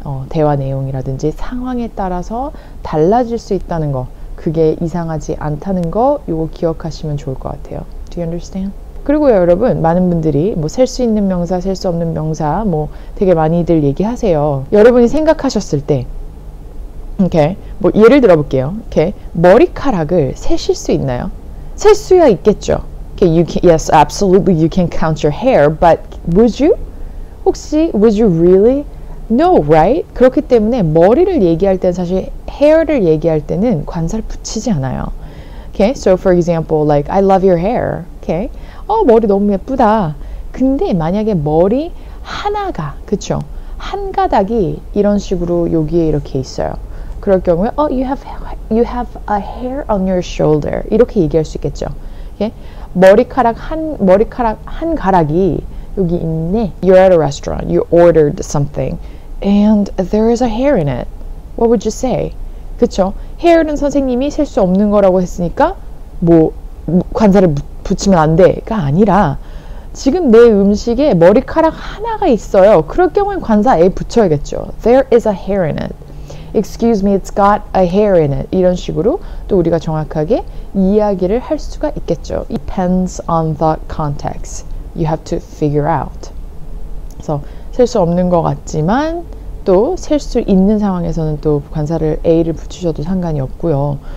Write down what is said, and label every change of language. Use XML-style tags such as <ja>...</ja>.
<ko>대화 내용이라든지 상황에 따라서 달라질 수 있다는 거 그게 이상하지 않다는 거 이거 기억하시면 좋을 것 같아요.</ko> <en>Do you understand?</en> <ko>그리고요 여러분 많은 분들이 뭐 셀 수 있는 명사, 셀 수 없는 명사 뭐 되게 많이들 얘기하세요. 여러분이 생각하셨을 때 오케이 뭐 예를 들어볼게요. 오케이 머리카락을 세실 수 있나요? 셀 수야 있겠죠.</ko> <en>Okay, you can, yes, absolutely you can count your hair, but would you?</en> <ko>혹시</ko> <en>would you really? No, right?</en> <ko>그렇기 때문에 머리를 얘기할 때는 사실 hair를 얘기할 때는 관사를 붙이지 않아요.</ko> <en>Okay, so for example, like, I love your hair.</en> <ko>Okay, 머리 너무 예쁘다. 근데 만약에 머리 하나가, 그쵸? 한 가닥이 이런 식으로 여기에 이렇게 있어요. 그럴 경우에,</ko> <en>you have a hair on your shoulder.</en> <ko>이렇게 얘기할 수 있겠죠. Okay, 머리카락 한 가닥이 여기 있네.</ko> <en>You're at a restaurant. You ordered something. And there is a hair in it. What would you say?</en> <ko>그쵸? hair는 선생님이 셀 수 없는 거라고 했으니까 뭐 관사를 붙이면 안 돼가 아니라 지금 내 음식에 머리카락 하나가 있어요. 그럴 경우엔 관사 A 붙여야겠죠.</ko> <en>There is a hair in it. Excuse me, it's got a hair in it.</en> <ko>이런 식으로 또 우리가 정확하게 이야기를 할 수가 있겠죠.</ko> <en>Depends on the context. You have to figure out.</en> <ko>그래서 셀 수 없는 것 같지만 또 셀 수 있는 상황에서는 또 관사를 A를 붙이셔도 상관이 없고요.</ko>